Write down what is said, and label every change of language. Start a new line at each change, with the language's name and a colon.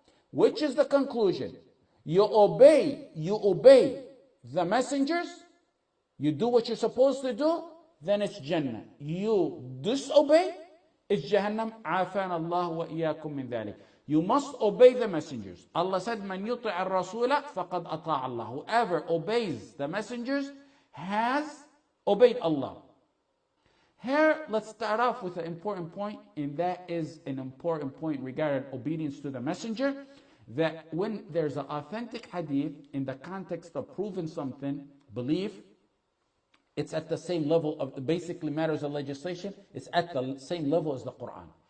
English: Which is the conclusion? You obey the messengers, you do what you're supposed to do, then it's Jannah. You disobey, it's Jahannam.
Arabic: عَافَانَ اللَّهُ وَإِيَّاكُمْ مِنْ ذَلِكَ.
English: You must obey the messengers. Allah said,
Arabic: مَنْ يُطِعَ الرَّسُولَ فَقَدْ أَطَاعَ اللَّهُ.
English: Whoever obeys the messengers has obeyed Allah. Here, let's start off with an important point, and that is an important point regarding obedience to the messenger. That when there's an authentic hadith in the context of proving something, belief, it's at the same level of basically matters of legislation, it's at the same level as the Quran.